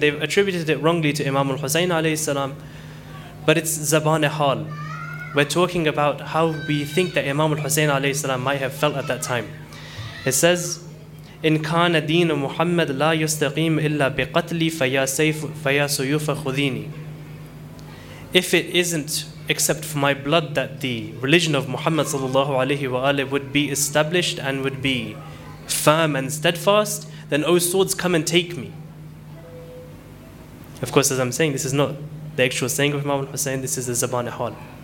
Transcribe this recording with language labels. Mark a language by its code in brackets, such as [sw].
[en] They've attributed it wrongly to Imam al-Husayn alayhi salam, but it's Zaban-e-Hal. We're talking about how we think that Imam al-Husayn alayhi salam might have felt at that time. It says, [ar] إن كان دين محمد لا يستقيم إلا بقتلي فيا سيف فيا سيوف خذيني. [en] If it isn't except for my blood that the religion of Muhammad sallallahu alayhi wa alayhi would be established and would be firm and steadfast, then O swords, come and take me. Of course, as I'm saying, this is not the actual saying of Imam al-Husayn, this is the Zaban-e-Hal.